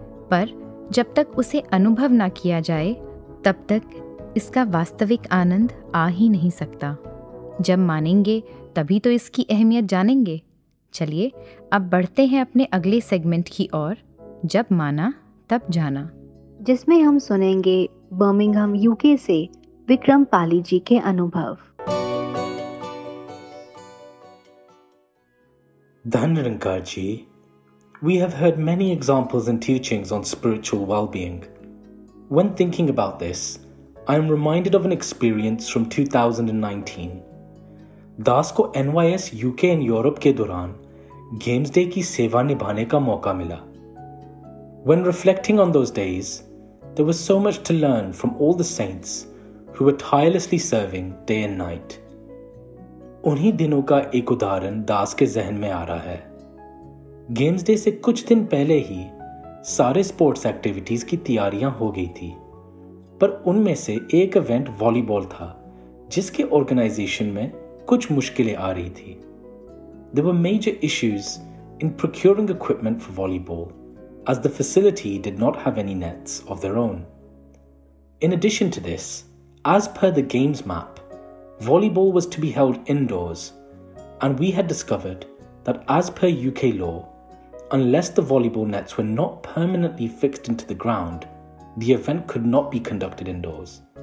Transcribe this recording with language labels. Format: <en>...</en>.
<hi>पर जब तक उसे अनुभव ना किया जाए, तब तक इसका वास्तविक आनंद आ ही नहीं सकता। जब मानेंगे तभी तो इसकी अहमियत जानेंगे। चलिए अब बढ़ते हैं अपने अगले सेगमेंट की ओर, जब माना तब जाना, जिसमें हम सुनेंगे बर्मिंगहम यूके से विक्रम पाली जी के अनुभव। धनरंकार जी,</hi> <en>we have heard many examples and teachings on spiritual well-being. When thinking about this, I am reminded of an experience from 2019.</en> <hi>दास को NYS UK and Europe के दौरान Games Day की सेवा निभाने का मौका मिला.</hi> <en>When reflecting on those days, there was so much to learn from all the saints who were tirelessly serving day and night.</en> <hi>उन्हीं दिनों का एक उदाहरण दास के जहन में आ रहा है. गेम्स डे से कुछ दिन पहले ही सारे स्पोर्ट्स एक्टिविटीज की तैयारियां हो गई थी, पर उनमें से एक इवेंट वॉलीबॉल था जिसके ऑर्गेनाइजेशन में कुछ मुश्किलें आ रही थी.</hi> <en>There were major issues in procuring equipment for volleyball, as the facility did not have any nets of their own. In addition to this, as per the games map, volleyball was to be held indoors, and we had discovered that as per UK law, unless the volleyball nets were not permanently fixed into the ground, the event could not be conducted indoors.</en>